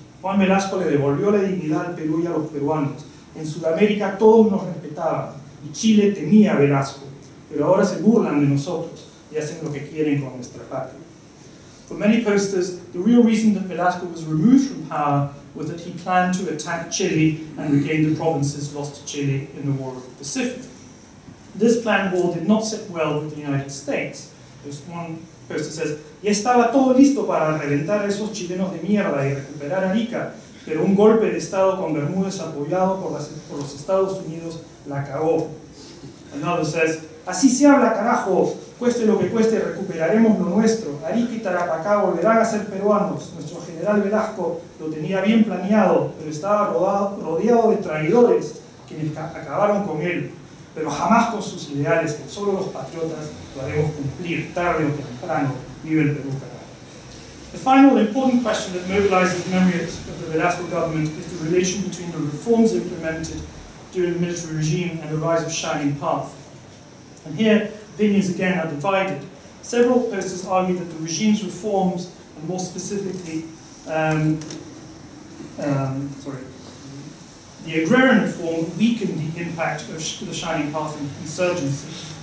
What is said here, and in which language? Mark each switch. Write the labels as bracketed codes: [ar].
[es] Juan Velasco le devolvió la dignidad al Perú y a los peruanos. En Sudamérica todos nos respetaban, y Chile tenía a Velasco. Pero ahora se burlan de nosotros y hacen lo que quieren con nuestra patria. [en] For many posters, the real reason that Velasco was removed from power was that he planned to attack Chile and regain the provinces lost to Chile in the War of the Pacific. This planned war did not sit well with the United States. This one poster says, [es] Ya estaba todo listo para reventar esos chilenos de mierda y recuperar Arica, pero un golpe de Estado con Bermúdez apoyado por los Estados Unidos la cagó. [en] Another says, [es] Así se habla, carajo. Cueste lo que cueste, recuperaremos lo nuestro. Arica y Tarapacá volverán a ser peruanos. Nuestro general Velasco lo tenía bien planeado, pero estaba rodeado de traidores, quienes acabaron con él. Pero jamás con sus ideales, que solo los patriotas lo haremos cumplir, tarde o temprano. Vive el Perú, carajo. [en] The final important question that mobilizes memories of the Velasco government is the relation between the reforms implemented during the military regime and the rise of Shining Path. And here, opinions again are divided. Several posters argue that the regime's reforms, and more specifically, the agrarian reform weakened the impact of the Shining Path insurgency.